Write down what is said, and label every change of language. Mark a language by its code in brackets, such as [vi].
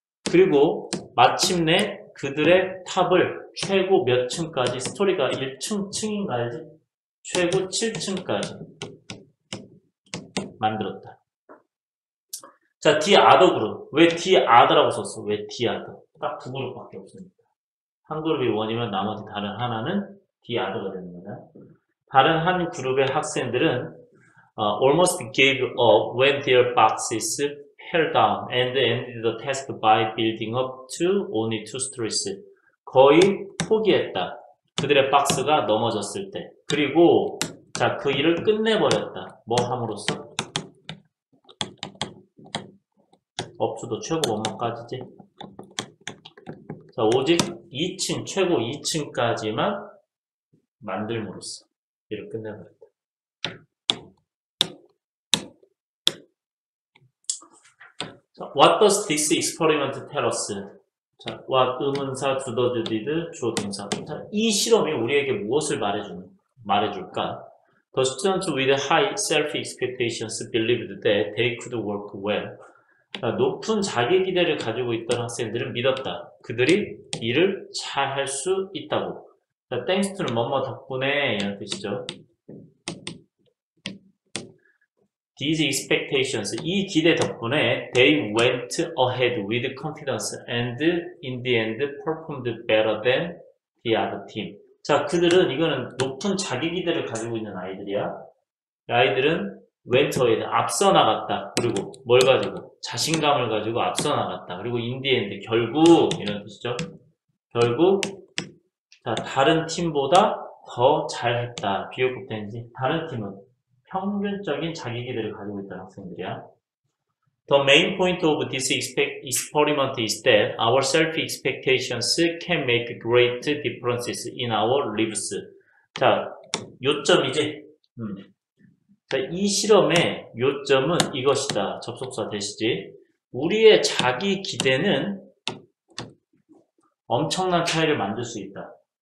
[ko] 그리고 마침내 그들의 탑을 최고 몇 층까지, 스토리가 1층, 층인가 알지? 최고 7층까지 만들었다. 자, [en] the other [ko] 그룹. 왜 the other라고 썼어? 왜 the other? 딱 두 그룹밖에 없으니까. 한 그룹이 원이면 나머지 다른 하나는 [en] the other [ko] 가 되는 거야. 다른 한 그룹의 학생들은 [en] almost gave up when their boxes fell down and ended the task by building up to only two stories. [ko] 거의 포기했다. 그들의 박스가 넘어졌을 때. 그리고 자, 그 일을 끝내버렸다. 뭐 함으로써? 업주도 최고 원망까지지. 자, 오직 2층, 최고 2층까지만 만들므로써 일을 끝내버렸다. [en] 자, what does this experiment tell us? [ko] 자, what 의문사, [en] do the did, [ko] 주어 동사. 자, 이 실험이 우리에게 무엇을 말해줄까? [en] The students with high self-expectations believed that they could work well. [ko] 자, 높은 자기 기대를 가지고 있던 학생들은 믿었다. 그들이 일을 잘 할 수 있다고. 자, thanks to는 뭐뭐 덕분에 이런 뜻이죠. [en] These expectations, [ko] 이 기대 덕분에 [en] they went ahead with confidence and in the end performed better than the other team. [ko] 자, 그들은 이거는 높은 자기 기대를 가지고 있는 아이들이야. 이 아이들은 [en] went ahead, [ko] 앞서 나갔다. 그리고 뭘 가지고? 자신감을 가지고 앞서 나갔다. 그리고 [en] in the end, [ko] 결국 이런 뜻이죠. 결국 자, 다른 팀보다 더 잘했다. 비교급 텐지. 다른 팀은 평균적인 자기 기대를 가지고 있던 학생들이야. [en] The main point of this experiment is that our self-expectations can make great differences in our lives. [ko] 자, 요점이지. 자, 이 실험의 요점은 이것이다. 접속사 되시지. 우리의 자기 기대는 엄청난 차이를 만들 수 있다.